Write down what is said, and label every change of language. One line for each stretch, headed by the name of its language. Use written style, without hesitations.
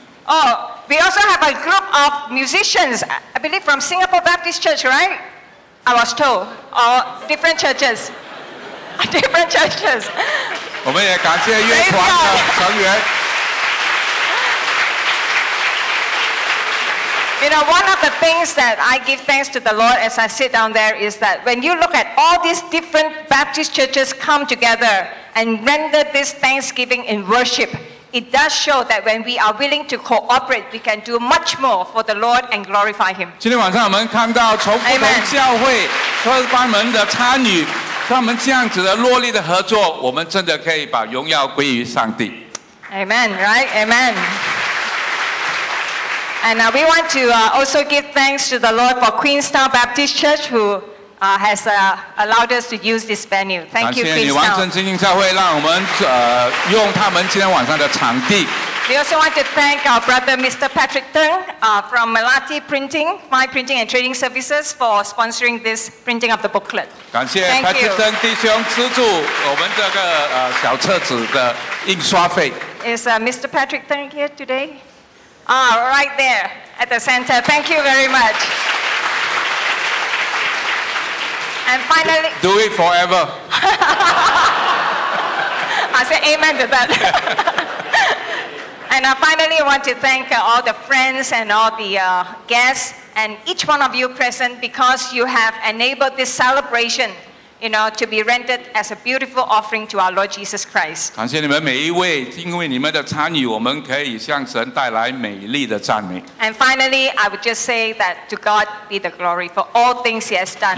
English: Oh, we also have a group of musicians, I believe from Singapore Baptist Church, right? I was told. Or different churches. Different churches.
Chinese: 我们也感谢乐团的成员。
English: You know, one of the things that I give thanks to the Lord as I sit down there is that when you look at all these different Baptist churches come together and render this thanksgiving in worship, it does show that when we are willing to cooperate, we can do much more for the Lord and glorify Him.
Chinese: 今天晚上我们看到从不同教会各班们的参与，他们这样子的落力的合作，我们真的可以把荣耀归于上帝。
English: Amen, right? Amen. And we want to also give thanks to the Lord for Queenstown Baptist Church who has allowed us to use this venue. Thank you, Queenstown.
Chinese: 感谢你，完成精英教会让我们用他们今天晚上的场地。
English: We also want to thank our brother Mr. Patrick Teng from Melati Printing, My Printing and Trading Services for sponsoring this printing of the booklet.
Chinese: 感谢 Patrick Teng 弟兄资助我们这个小册子的印刷费。
English: Is Mr. Patrick Teng here today? Right there at the center. Thank you very much. And finally, do it forever. I say amen to that. And finally, I want to thank all the friends and all the guests and each one of you present because you have enabled this celebration, you know, to be rendered as a beautiful offering to our Lord Jesus Christ.
Chinese: 感谢你们每一位，因为你们的参与，我们可以向神带来美丽的赞美。
English: And finally, I would just say that to God be the glory for all things He has done.